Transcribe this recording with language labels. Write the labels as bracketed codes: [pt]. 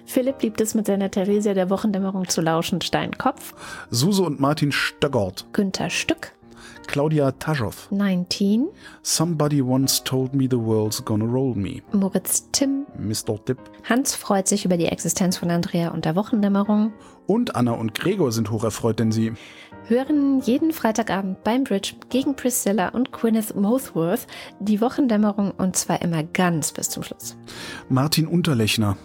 [de] Philipp liebt es, mit seiner Theresia der Wochendämmerung zu lauschen. Steinkopf. Suse und Martin Stöggert. Günther Stück. Claudia Taschow. 19. [en] Somebody once told me the world's gonna roll me. [de] Moritz Tim. Mr. Tipp. Hans freut sich über die Existenz von Andrea und der Wochendämmerung. Und Anna und Gregor sind hocherfreut, denn sie hören jeden Freitagabend beim Bridge gegen Priscilla und Gwyneth Mothworth die Wochendämmerung und zwar immer ganz bis zum Schluss. Martin Unterlechner.